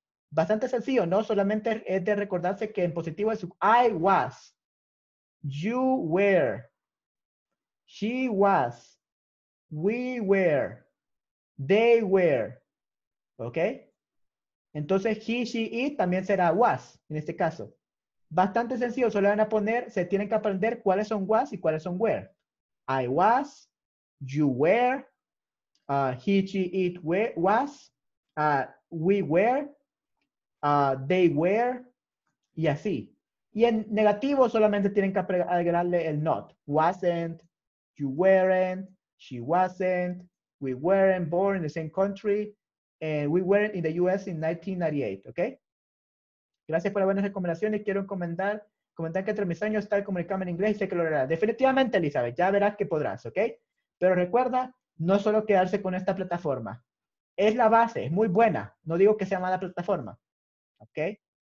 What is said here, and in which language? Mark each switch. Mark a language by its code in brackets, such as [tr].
[es] Bastante sencillo, ¿no? Solamente es de recordarse que en positivo es [en] I was, you were, she was, we were, they were, [es] ¿ok? Entonces, he, she, it también será was, en este caso. Bastante sencillo, solo van a poner, se tienen que aprender cuáles son was y cuáles son were. [en] I was, you were, he, she, it was, we were, they were, [es] y así. Y en negativo solamente tienen que agregarle el not. [en] Wasn't, you weren't, she wasn't. We weren't born in the same country, and we weren't in the U.S. in 1998, [es] ¿ok? Gracias por las buenas recomendaciones. Quiero comentar que entre mis años está el comunicarme en inglés y sé que lo harás. Definitivamente, Elizabeth, ya verás que podrás, ¿ok? Pero recuerda, no solo quedarse con esta plataforma. Es la base, es muy buena. No digo que sea mala plataforma, ¿ok?